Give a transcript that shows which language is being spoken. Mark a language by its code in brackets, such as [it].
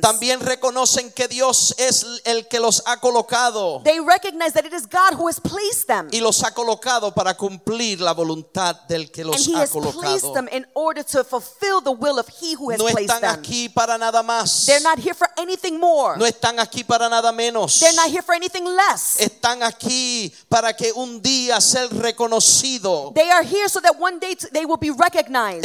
[es] también reconocen que Dios es el que los ha colocado. [en] They recognize that it is God who has placed them. [es] Y los ha colocado para cumplir la voluntad del que los ha colocado. [en] And he has placed them in order to fulfill the will of he who has placed them. [es] No están aquí para nada más. [en] They're not here for anything more. [es] No están aquí para nada menos. [en] They're not here for anything less. [es] Están aquí para que un día sea reconocido. [en] They are here so that one day they will be recognized.